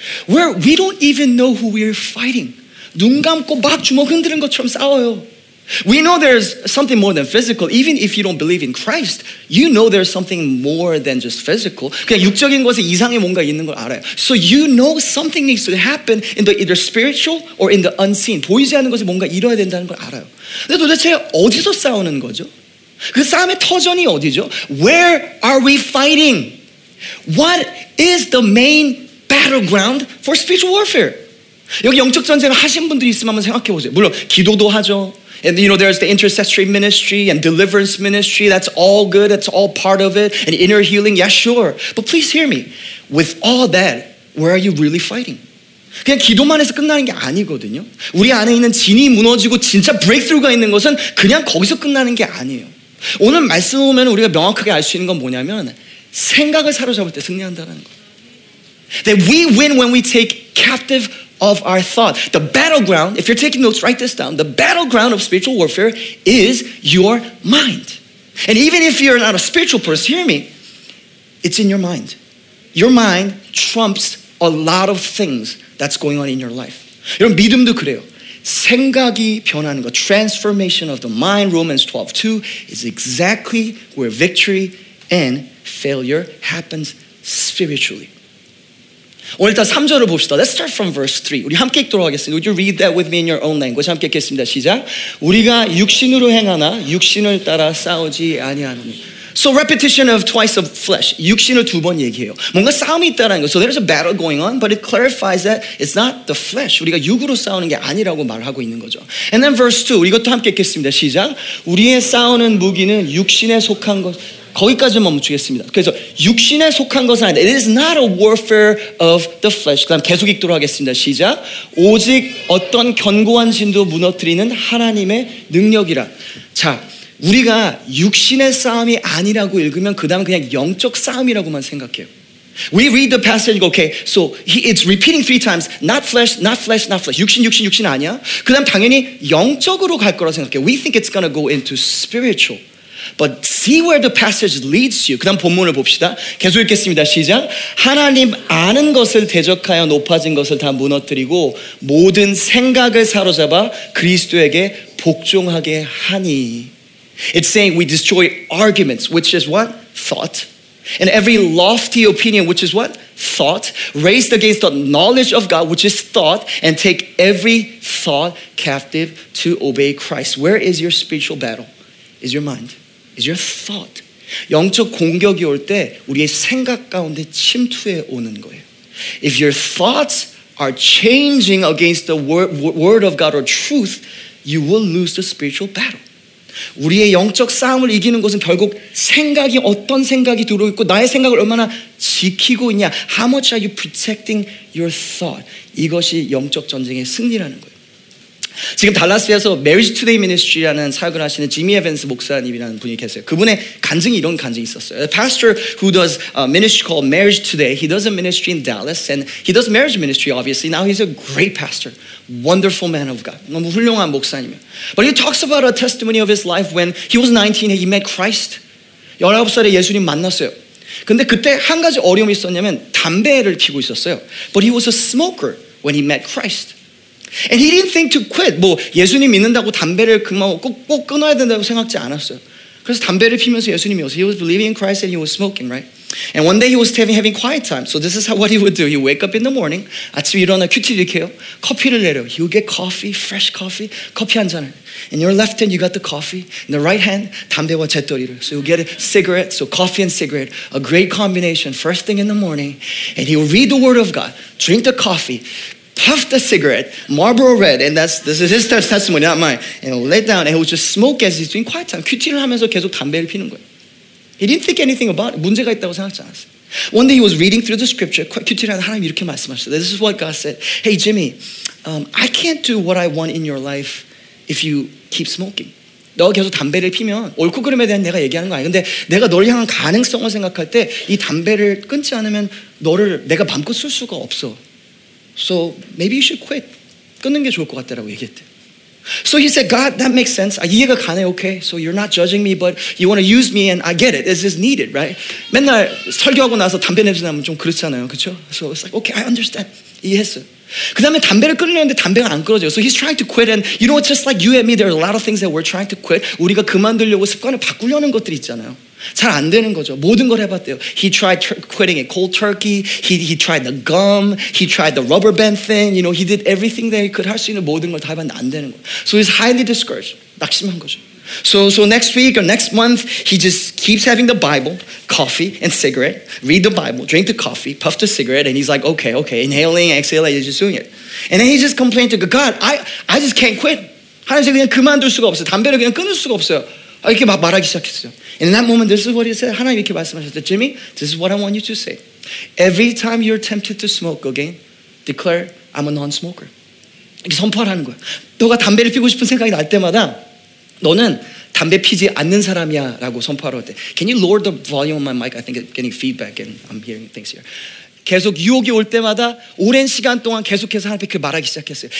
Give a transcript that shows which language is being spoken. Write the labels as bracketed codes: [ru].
[en] Where we don't even know who we're fighting. [ko] 눈 감고 막 주먹 흔드는 것처럼 싸워요. [en] We know there's something more than physical. Even if you don't believe in Christ, you know there's something more than just physical. [ko] 그냥 육적인 것에 이상의 뭔가 있는 걸 알아요. [en] So you know something needs to happen in the either spiritual or in the unseen. [ko] 보이지 않는 것에 뭔가 이뤄야 된다는 걸 알아요. 근데 도대체 어디서 싸우는 거죠? 그 싸움의 터전이 어디죠? [en] Where are we fighting? What is the main battleground for spiritual warfare? [ko] 여기 영적 전쟁을 하신 분들이 있으면 한번 생각해 보세요. 물론 기도도 하죠. [en] And you know, there's the intercessory ministry and deliverance ministry. That's all good. That's all part of it. And inner healing. Yeah, sure. But please hear me. With all that, where are you really fighting? [ko] 그냥 기도만 해서 끝나는 게 아니거든요. 우리 안에 있는 진이 무너지고 진짜 breakthrough가 있는 것은 그냥 거기서 끝나는 게 아니에요. 오늘 말씀 보면 우리가 명확하게 알 수 있는 건 뭐냐면 생각을 사로잡을 때 승리한다는 거. [en] That we win when we take captive of our thought. The battleground, if you're taking notes, write this down. The battleground of spiritual warfare is your mind. And even if you're not a spiritual person, hear me, it's in your mind. Your mind trumps a lot of things that's going on in your life. [ko] 여러분, 믿음도 그래요. 생각이 변하는 거, [en] transformation of the mind, Romans 12:2, is exactly where victory and failure happens spiritually. [ko] 오늘 일단 3절을 봅시다. [en] Let's start from verse 3. [ko] 우리 함께 읽도록 하겠습니다. [en] Would you read that with me in your own language? [ko] 함께 읽겠습니다. 시작. 우리가 육신으로 행하나 육신을 따라 싸우지 아니하노니. [en] So repetition of twice of flesh. [ko] 육신을 두 번 얘기해요. 뭔가 싸움이 있다라는 거. [en] So there's a battle going on, but it clarifies that it's not the flesh. [ko] 우리가 육으로 싸우는 게 아니라고 말하고 있는 거죠. [en] And then verse 2. [ko] 이것도 함께 읽겠습니다. 시작. 우리의 싸우는 무기는 육신에 속한 것. 거기까지만 멈추겠습니다. 그래서 육신에 속한 것은 아니다. [en] It is not a warfare of the flesh. [ko] 그 다음 계속 읽도록 하겠습니다. 시작. 오직 어떤 견고한 진도 무너뜨리는 하나님의 능력이라. 자, 우리가 육신의 싸움이 아니라고 읽으면 그 다음 그냥 영적 싸움이라고만 생각해요. [en] We read the passage and go, okay, so he is repeating three times, not flesh, not flesh, not flesh. [ko] 육신, 육신, 육신 아니야? 그 다음 당연히 영적으로 갈 거라 생각해요. [en] We think it's gonna go into spiritual. But see where the passage leads you. [ko] 그 다음 본문을 봅시다. 계속 읽겠습니다. 시작. 하나님 아는 것을 대적하여 높아진 것을 다 무너뜨리고 모든 생각을 사로잡아 그리스도에게 복종하게 하니. [en] It's saying we destroy arguments, which is what? Thought. And every lofty opinion, which is what? Thought. Raised against the knowledge of God, which is thought. And take every thought captive to obey Christ. Where is your spiritual battle? Is your mind. Is your thought. [ko] 영적 공격이 올 때 우리의 생각 가운데 침투해 오는 거예요. [en] If your thoughts are changing against the word of God or truth, you will lose the spiritual battle. [ko] 우리의 영적 싸움을 이기는 것은 결국 생각이 어떤 생각이 들어있고 나의 생각을 얼마나 지키고 있냐. [en] How much are you protecting your thought? [ko] 이것이 영적 전쟁의 승리라는 거예요. 지금 달라스에서 Marriage Today Ministry라는 사역을 하시는 지미 에반스 목사님이라는 분이 계세요. 그분의 간증이 이런 간증이 있었어요. [en] A pastor who does a ministry called Marriage Today, he does a ministry in Dallas, and he does marriage ministry, obviously. Now he's a great pastor, wonderful man of God. [ko] 너무 훌륭한 목사님이에요. [en] But he talks about a testimony of his life when he was 19 and he met Christ. [ko] 19살에 예수님 만났어요. 근데 그때 한 가지 어려움이 있었냐면 담배를 피고 있었어요. [en] But he was a smoker when he met Christ. And he didn't think to quit. [ko] 뭐 예수님 믿는다고 담배를 그만 꼭 끊어야 된다고 생각지 않았어요. 그래서 담배를 피면서 예수님이 오세요. [en] He was believing in Christ and he was smoking, right? And one day he was having quiet time. So this is what he would do. He would wake up in the morning. [ko] 아침에 일어나 큐티 일으켜요. 커피를 내려요. [en] He would get coffee, fresh coffee, [ko] 커피 한 잔을. [en] In your left hand, you got the coffee. In the right hand, [ko] 담배와 재떨이를. [en] So you'll get a cigarette. So coffee and cigarette. A great combination. First thing in the morning. And he would read the word of God. Drink the coffee. Puff the cigarette, Marlboro Red, and this is his testimony, not mine. And he'll lay down, and he'll just smoke as he's doing quiet time. [ko] QT를 하면서 계속 담배를 피는 거예요. [en] He didn't think anything about it. [ko] 문제가 있다고 생각지 않았어요. [en] One day he was reading through the scripture. [ko] QT를 하면서 하나님 이렇게 말씀하셨어요. [en] This is what God said. Hey, Jimmy, I can't do what I want in your life if you keep smoking. [ko] 너 계속 담배를 피면 옳고 그름에 대한 내가 얘기하는 거 아니야. 근데 내가 너를 향한 가능성을 생각할 때 이 담배를 끊지 않으면 너를 내가 맘껏 쓸 수가 없어. [en] So maybe you should quit. [ko] 끊는 게 좋을 것 같다라고 얘기했대. [en] So he said, God, that makes sense. [ko] 아, 이해가 가네, [en] okay. So you're not judging me, but you want to use me, and I get it. This is needed, right? [ko] 맨날 설교하고 나서 담배 냄새 나면 좀 그렇잖아요, 그쵸? [en] So it's like, okay, I understand. [ko] 이해했어. 그 다음에 담배를 끊으려는데 담배가 안 끊어져요. [en] So he's trying to quit, and you know, it's just like you and me, there are a lot of things that we're trying to quit. [ko] 우리가 그만두려고 습관을 바꾸려는 것들이 있잖아요. 잘 안 되는 거죠. 모든 걸 해봤대요. [en] He tried quitting it cold turkey. He tried the gum. He tried the rubber band thing. You know, he did everything that he could. [ko] 할 수 있는 모든 걸 다 해봤는데 안 되는 거예요. [en] So he's highly discouraged. [ko] 낙심한 거죠. [en] So next week or next month, he just keeps having the Bible, coffee, and cigarette. Read the Bible, drink the coffee, puff the cigarette, and he's like, okay, inhaling, exhaling, he's just doing it. And then he just complained to God, I just can't quit. [ko] 하나님, 그냥 그만둘 수가 없어요. 담배를 그냥 끊을 수가 없어요. 이렇게 막 말하기 시작했어요. [en] And in that moment, this is what he said. [ko] 하나님 이렇게 말씀하셨어요. [en] Jimmy, this is what I want you to say. Every time you're tempted to smoke again, declare, I'm a non-smoker. [ko] 이렇게 선포하는 거야. 너가 담배를 피고 싶은 생각이 날 때마다 너는 담배 피지 않는 사람이야 라고 선포하러 때. [en] Can you lower the volume of my mic? I think it's getting feedback and I'm hearing things here. [ko] 계속 유혹이 올 때마다 오랜 시간 동안 계속해서 하나님 그 말하기 시작했어요.